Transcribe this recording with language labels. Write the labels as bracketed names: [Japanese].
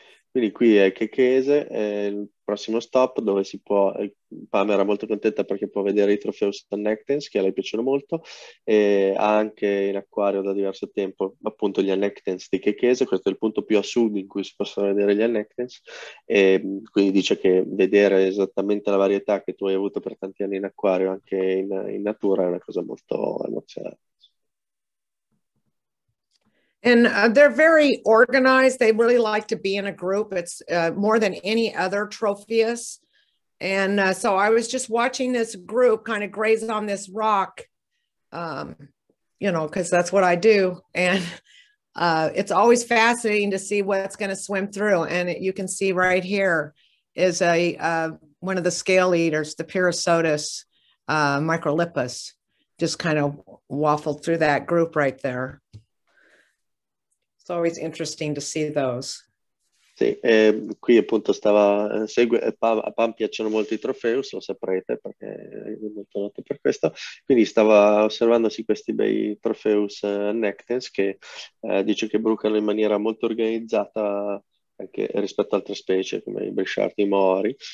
[Italian] Quindi qui è Kekese, è il prossimo stop dove si può, Pam era molto contenta perché può vedere i Trophius annectans che a lei piacciono molto, e ha anche in acquario da diverso tempo appunto gli annectans di Kekese, questo è il punto più a sud in cui si possono vedere gli annectans, e quindi dice che vedere esattamente la varietà che tu hai avuto per tanti anni in acquario anche in natura è una cosa molto emozionante. [English] And they're very organized. They really like to be in a group. It's more than any other Trophius. And so I was just watching this group kind of graze on this rock, you know, because that's what I do. And it's always fascinating to see what's going to swim through. And you can see right here is one of the scale eaters, the Pyrosotis microlipus, just kind of waffled through that group right there. It's always interesting to see those. [Italian] Sì, qui appunto stava a Pam piacciono molto i Trophius, lo saprete perché è molto noto per questo. Quindi stava osservandosi questi bei Trophius annectans che dice che brucano in maniera molto organizzata anche rispetto ad altre specie come i Brichard, i Mori.